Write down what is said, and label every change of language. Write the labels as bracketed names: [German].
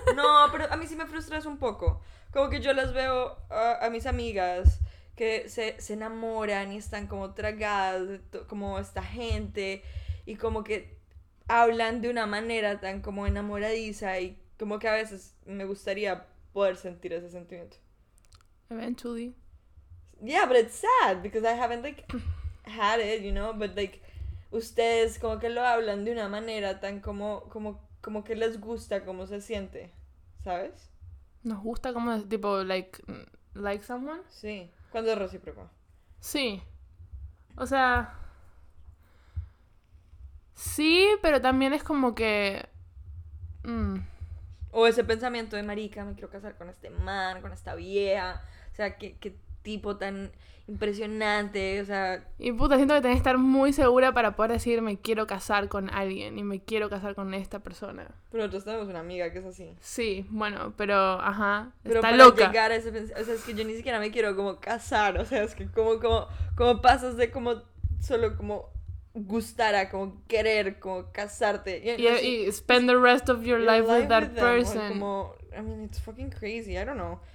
[Spanish] No, pero a mí sí me frustras un poco. Como que yo las veo a mis amigas que se enamoran y están como tragadas como esta gente y como que hablan de una manera tan como enamoradiza y como que a veces me gustaría poder sentir ese sentimiento. [English] Eventually. Yeah, but it's sad because I haven't like had it, you know, but like... [Spanish] Ustedes como que lo hablan de una manera tan como que les gusta cómo se siente, ¿sabes? Nos gusta como, tipo, [English] like someone. [Spanish] Sí, cuando es recíproco. Sí. O sea... Sí, pero también es como que... O ese pensamiento de marica, me quiero casar con este man, con esta vieja. O sea, que tipo tan impresionante, o sea... Y puta, siento que tenés que estar muy segura para poder decir me quiero casar con alguien y me quiero casar con esta persona. Pero nosotros tenemos una amiga que es así. Sí, bueno, pero, ajá, pero está loca. Pero para llegar a ese... O sea, es que yo ni siquiera me quiero como casar, o sea, es que como pasas de como solo como gustar a como querer como casarte. [English] Y spend the rest of your life with that person. [Spanish] Como, [English] I mean, it's fucking crazy, I don't know.